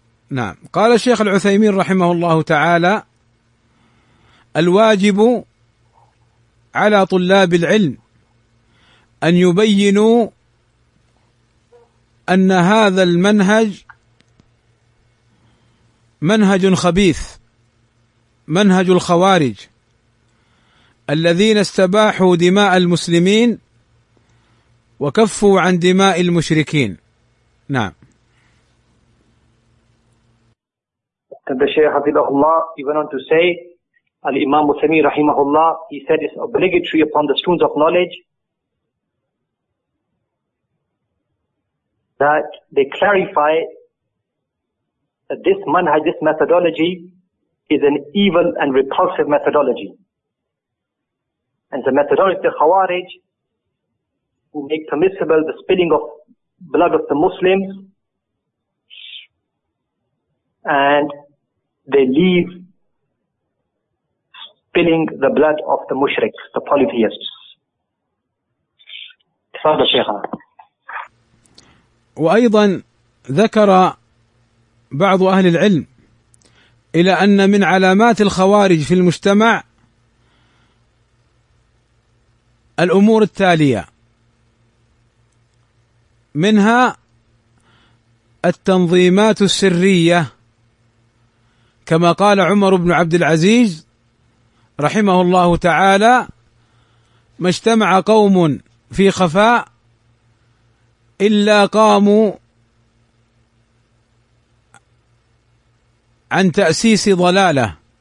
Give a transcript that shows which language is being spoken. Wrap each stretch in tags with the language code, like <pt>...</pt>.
<ar>نعم، قال الشيخ العثيمين رحمه الله تعالى: الواجب على طلاب العلم أن يبينوا أن هذا المنهج منهج خبيث، منهج الخوارج الذين استباحوا دماء المسلمين وكفوا عن دماء المشركين. نعم. الشيخ حفظه الله</ar> <en>even on to say</en> <ar>الإمام الثمين رحمه الله</ar> <en>he said it's obligatory upon the students of knowledge that they clarify that this manhaj, this methodology is an evil and repulsive methodology. And the methodology of the Khawarij who make permissible the spilling of blood of the Muslims and they leave spilling the blood of the mushriks, the polytheists.</en> <ar>Tafadhal Shaykh. وأيضا ذكر بعض أهل العلم إلى أن من علامات الخوارج في المجتمع الأمور التالية: منها التنظيمات السرية، كما قال عمر بن عبد العزيز رحمه الله تعالى: ما اجتمع قوم في خفاء إلا قاموا عن تأسيس ضلالة.</ar>